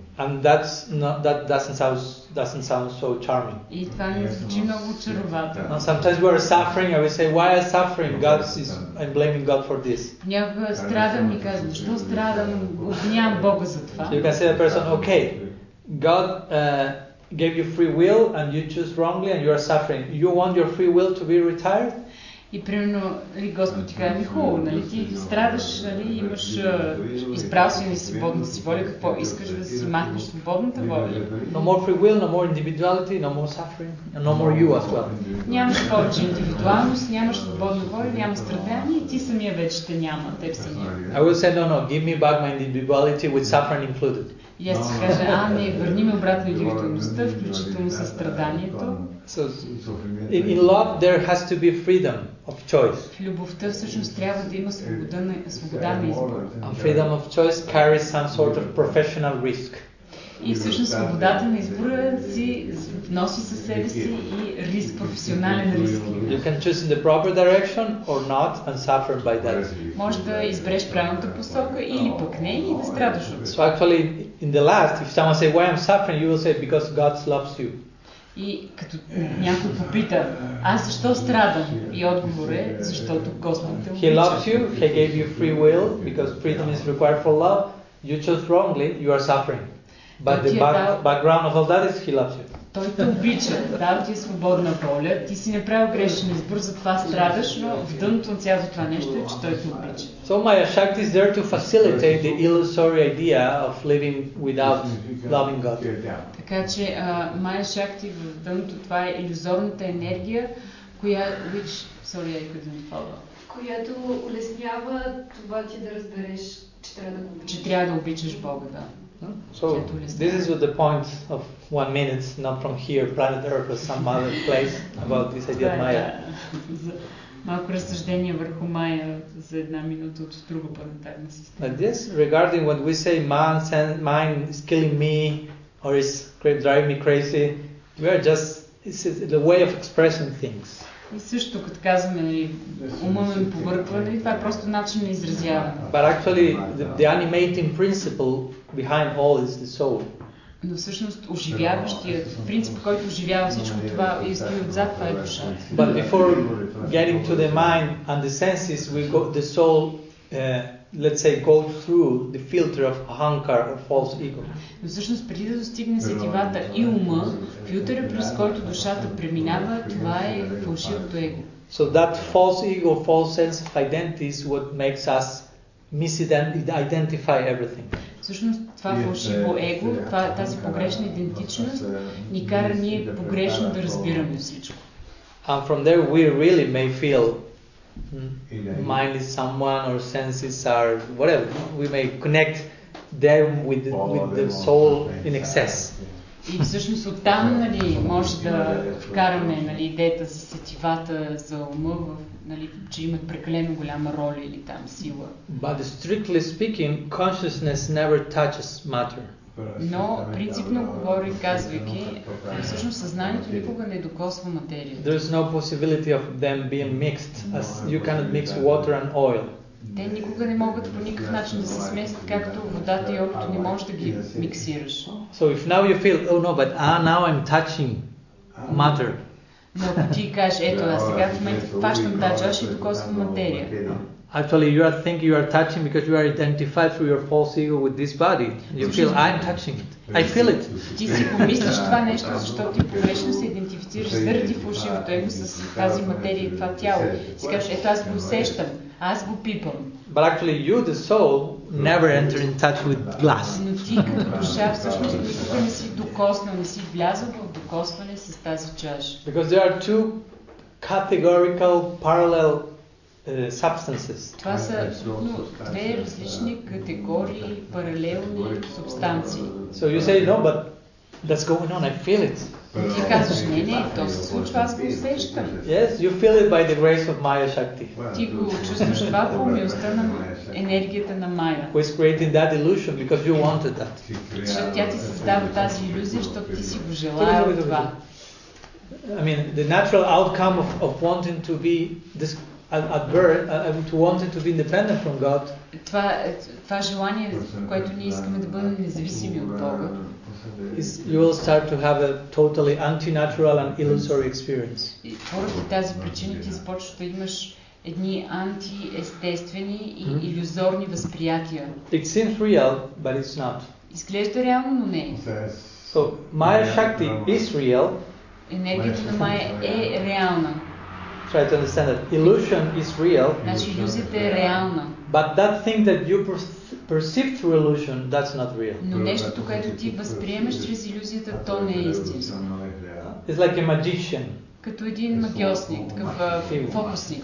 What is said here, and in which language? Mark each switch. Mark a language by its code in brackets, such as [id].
[en] And that's not, that doesn't sound so charming. [bg] И това не звучи много очарователно. [en] Sometimes we are suffering and we say, why am I suffering? I'm blaming God for this. [bg] Някога страдам и казвам, защо страдам? Обвинявам Бога за това. [en] So you can say to the person, okay, God gave you free will and you choose wrongly and you are suffering. You want your free will to be retired? [bg] И примерно, Господ ти казва, хубаво, нали, ти страдаш, нали, имаш избрал си свободна си воля, какво искаш да си махнеш свободната воля. [en] No more free will, no more individuality, no more suffering, and no more you as well. [bg] Нямаш повече индивидуалност, нямаш свободна воля, няма страдания и ти самия вече те няма, теб самия. [en] I will say, no, give me back my individuality with suffering included. [bg] И аз си кажа, не, върни ме обратно индивидуалността, включително със страданието. [en] So, in love, there has to be freedom of choice. [bg] В любовта всъщност трябва да има свобода на избор. [en] And freedom of choice carries some sort of professional risk. [bg] И всъщност свободата на избора си носи със себе си и риск, професионален риск. [en] You can choose in the proper direction or not and suffer by that. [bg] Може да избереш правилната посока или пък не и да страдаш от това. [en] So actually, in the last, if someone says, why I'm suffering, you will say, because God loves you. [bg] И като някой попита, аз защо страдам? И отговор е, защото Господ те обича. [en] He loves you, he gave you free will, because freedom is required for love. you chose wrongly, you are suffering. But the background of all that is he loves you. [bg] Той те обича, дал ти е свободна воля, ти си направил грешен избор, затова страдаш, но в дъното на цялото това нещо е, че той те обича. [en] So Maya Shakti is there to facilitate the illusory idea of living without loving God. [bg] Така че Maya Shakti в дъното, това е иллюзорната енергия, която улеснява това ти да разбереш, че трябва да го обичаш. Че трябва да обичаш Бога, да. [en] So this is with the point of 1 minute, not from here, planet Earth or some other place, about this idea of Maya. [bg] Малко разсъждение върху Maya за една минута от друга планетарна система. [en] But this regarding what we say, man, send, mind is killing me or is driving me crazy, we are just, this is the way of expressing things. [bg] И също, като казваме, ума ме повърква, нали, това е просто начин на изразяване. [en] But actually, the animating principle behind all is the soul. [bg] Но всъщност, оживяващият принцип, който оживява всичко това и стои отзад, това е душата. [en] But before getting to the mind and the senses, we go the soul, let's say, go through the filter of ahankar, or false ego. [bg] Но всъщност, преди да достигне сетивата и ума, филтъра, през който душата преминава, това е фалшивото его. [en] So that false ego, false sense of identity is what makes us misidentify everything. [bg] Всъщност, това фалшиво его, тази погрешна идентичност, ни кара ние погрешно да разбираме всичко. [en] And from there we really may feel mind is someone or senses are whatever. We may connect them with the soul in excess. [bg] И всъщност оттам, нали, може да вкараме, нали, идеята за сетивата, за ума, нали, че имат прекалено голяма роля или там сила. [en] But strictly speaking, consciousness never touches matter. [bg] Но принципно говори, казвайки, всъщност съзнанието никога не докосва материята. [en] There is no possibility of them being mixed, as you cannot mix water and oil. [bg] Те никога не могат по никакъв начин да се смесят, както водата и олиото не можеш да ги миксираш. [en] So if now you feel, oh no, but now I'm touching matter. [bg] Но ако ти кажеш, ето, а сега в момента фащам тача, аз ще докосвам материя. [en] Actually, you are thinking you are touching because you are identified through your false ego with this body. You feel I'm touching it. I feel it. [bg] Ти си помислиш това нещо, защото ти погрешно се идентифицираш заради фалшивото его с тази материя и това тяло. Си кажеш, ето аз го усещам. Аз го пипам. [en] But actually you, the soul, never enter in touch with glass. [bg] Но ти като душа всъщност никога не си докоснал, не си влязал в докосване с тази чаша. [en] Because there are two categorical parallel substances. [bg] Това са две различни категории паралелни субстанции. [en] So you say no, but that's going on, I feel it. [bg] Ти казваш, не, то се случва, аз го усещам. [en] Yes, you feel it by the grace of Maya Shakti. [bg] Ти го чувстваш това по милостта на енергията на Maya. [en] Who is creating that illusion because you wanted that. [bg] Защото тя ти създава тази иллюзия, защото ти си го желаял това. [en] I mean, the natural outcome of wanting to be this at birth, to want it to be independent from God. [bg] Това желание, което ние искаме да бъдем независими от Бога, [en] is you will start to have a totally anti-natural and illusory experience. [bg] Поради тази причина ти започваш да имаш едни антиестествени и илюзорни възприятия. [en] It seems real, but it's not. [bg] Изглежда реално, но не. [en] So Maya Shakti is real. [bg] Енергията на Maya е реална. [en] Try to understand that illusion is real. [bg] Значи иллюзията е реална. [en] But that thing that you perceive through illusion, that's not real. [bg] Но нещото, което ти възприемаш чрез иллюзията, то не е истинско. [en] It's like a magician. [bg] Като един магиосник, такъв фокусник.